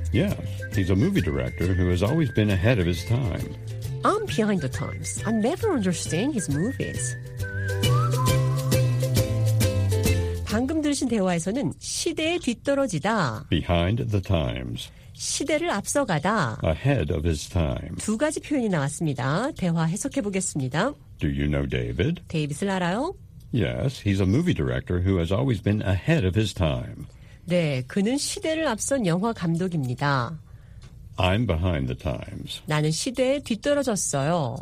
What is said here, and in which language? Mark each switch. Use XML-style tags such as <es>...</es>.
<en>Yes, he's a movie director who has always been ahead of his time. I'm behind the times. I never understand his movies.</en> <ko>방금 들으신 대화에서는 시대에 뒤떨어지다,</ko> <en>behind the times,</en> <ko>시대를 앞서가다,</ko> <en>ahead of his time,</en> <ko>두 가지 표현이 나왔습니다. 대화 해석해 보겠습니다.</ko> <en>Do you know David?</en> <ko>데이빗을 알아요?</ko> <en>Yes, he's a movie director who has always been ahead of his time.</en> <ko>네, 그는 시대를 앞선 영화 감독입니다.</ko> <en>I'm behind the times.</en> <ko>나는 시대에 뒤떨어졌어요.</ko>